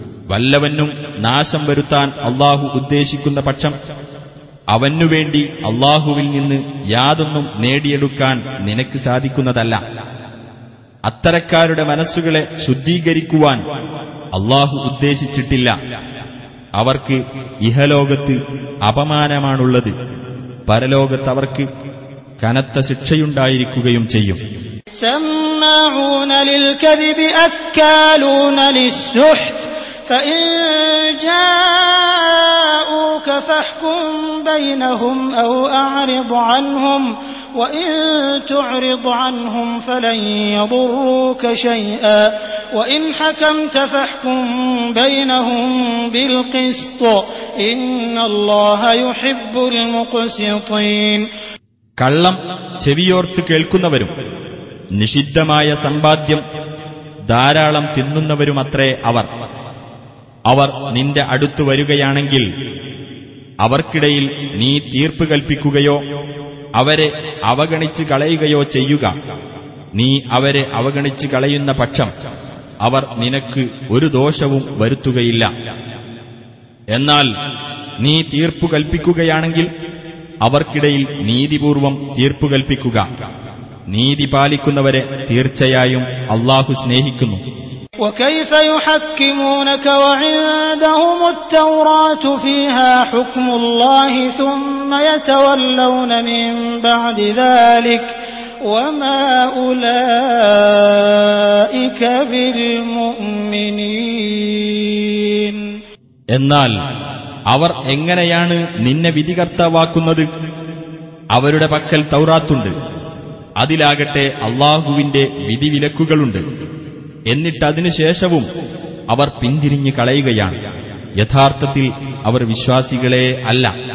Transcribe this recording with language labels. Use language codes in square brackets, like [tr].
[ml] വല്ലവനും നാശം വരുത്താൻ അള്ളാഹു ഉദ്ദേശിക്കുന്ന പക്ഷം അവനുവേണ്ടി അള്ളാഹുവിൽ നിന്ന് യാതൊന്നും നേടിയെടുക്കാൻ നിനക്ക് സാധിക്കുന്നതല്ല. അത്തരക്കാരുടെ മനസ്സുകളെ ശുദ്ധീകരിക്കുവാൻ അള്ളാഹു ഉദ്ദേശിച്ചിട്ടില്ല. അവർക്ക് ഇഹലോകത്ത് അപമാനമാണുള്ളത്. പരലോകത്ത് അവർക്ക് കനത്ത ശിക്ഷയുണ്ടായിരിക്കുകയും ചെയ്യും. [ar] سماعون للكذب أكالون للسحت فإن جاءوك فاحكم بينهم أو أعرض عنهم وإن تعرض عنهم فلن يضروك شيئا وإن حكمت فاحكم بينهم بالقسط إن الله يحب المقسطين كلم [ml] ചെവിയോർത്ത് കേൾക്കുന്നവരും നിഷിദ്ധമായ സമ്പാദ്യം ധാരാളം തിന്നുന്നവരുമത്രേ അവർ. അവർ നിന്റെ അടുത്തു വരികയാണെങ്കിൽ അവർക്കിടയിൽ നീ തീർപ്പ് കൽപ്പിക്കുകയോ അവരെ അവഗണിച്ച് കളയുകയോ ചെയ്യുക. നീ അവരെ അവഗണിച്ച് കളയുന്ന പക്ഷം അവർ നിനക്ക് ഒരു ദോഷവും വരുത്തുകയില്ല. എന്നാൽ നീ തീർപ്പു കൽപ്പിക്കുകയാണെങ്കിൽ അവർക്കിടയിൽ നീതിപൂർവം തീർപ്പു കൽപ്പിക്കുക. നീതി പാലിക്കുന്നവരെ തീർച്ചയായും അല്ലാഹു സ്നേഹിക്കുന്നു. [ar] وكيف يحكمونك وعندهم التوراة فيها حكم الله ثم يتولون من بعد ذلك وما اولئك بالمؤمنين. [ml] എന്നാൽ അവർ എങ്ങനെയാണ് നിന്നെ വിധികർത്താവാക്കുന്നത്? അവരുടെ പക്കൽ തൗറാത്തുണ്ട്, അതിലാകട്ടെ അള്ളാഹുവിന്റെ വിധിവിലക്കുകളുണ്ട്. എന്നിട്ടതിനുശേഷവും അവർ പിന്തിരിഞ്ഞു കളയുകയാണ്. യഥാർത്ഥത്തിൽ അവർ വിശ്വാസികളെ അല്ല.